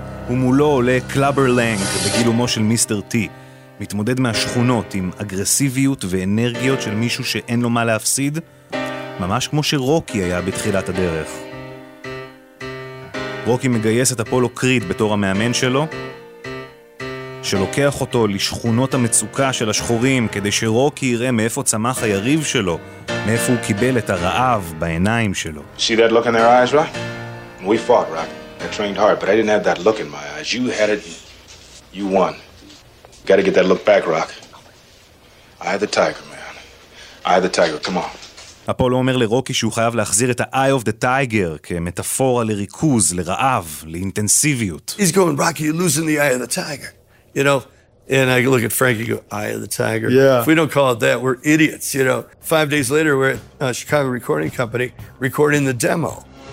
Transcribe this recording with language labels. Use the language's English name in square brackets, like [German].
[Hebrew] ומולו עולה קלאבר לנג בגילומו של מיסטר טי, מתמודד מהשכונות עם אגרסיביות ואנרגיות של מישהו שאין לו מה להפסיד, ממש כמו שרוקי היה בתחילת הדרך. רוקי מגייס את אפולו קריד בתור המאמן שלו, שלוקח אותו לשכונות המצוקה של השחורים, כדי שרוקי יראה מאיפה צמח היריב שלו, מאיפה הוא קיבל את הרעב בעיניים שלו. [English] See that look in their eyes, Rock? We fought, Rock. I trained hard, but I didn't have that look in my eyes. You had it, you won. Gotta get that look back, Rock. I had the tiger, man. I had the tiger, come on. [Hebrew] אפולו אומר לרוקי שהוא חייב להחזיר את ה-Eye of the Tiger כמטאפורה לריכוז, לרעב, לאינטנסיביות. [English] He's going, Rocky, you're losing the Eye of the Tiger. You know? And I look at Frankie and go, Eye of the Tiger. Yeah. If we don't call it that, we're idiots, you know? 5 days later, we're at a Chicago recording company recording the demo.